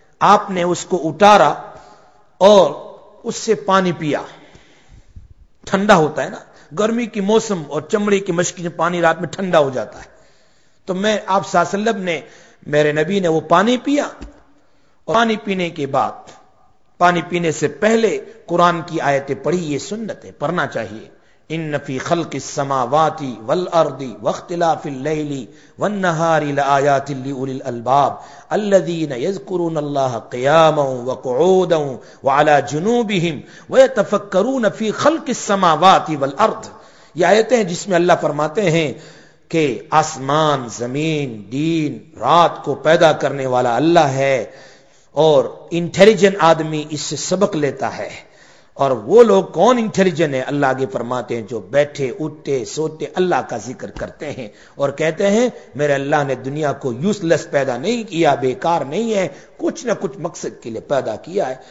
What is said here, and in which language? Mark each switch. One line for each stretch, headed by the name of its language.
Urdu: آپ نے اس کو اتارا اور اس سے پانی پیا، ٹھنڈا ہوتا ہے نا، گرمی کی موسم اور چمڑے کی مشکیزہ، پانی رات میں ٹھنڈا ہو جاتا ہے. تو میں آپ صلی اللہ علیہ وسلم نے، میرے نبی نے وہ پانی پیا، اور پانی پینے کے بعد، پانی پینے سے پہلے قرآن کی آیتیں پڑھی. یہ سنت ہے، پڑھنا چاہیے.
Arabic: ان فی خلق السماوات والارض واختلاف الليل والنهار لآيات لأولي الألباب الذين يذكرون الله قياما وقعودا وعلى جنوبهم ويتفكرون في خلق السماوات والارض.
Urdu: یہ آیتیں ہیں جس میں اللہ فرماتے ہیں کہ آسمان، زمین، دین، رات کو پیدا کرنے والا اللہ ہے، اور انٹیلیجنٹ آدمی اس سے سبق لیتا ہے. اور وہ لوگ کون انٹیلیجنٹ ہیں؟ اللہ آگے فرماتے ہیں جو بیٹھے اٹھتے سوتے اللہ کا ذکر کرتے ہیں، اور کہتے ہیں میرے اللہ نے دنیا کو یوز لیس پیدا نہیں کیا، بیکار نہیں ہے، کچھ نہ کچھ مقصد کے لیے پیدا کیا ہے.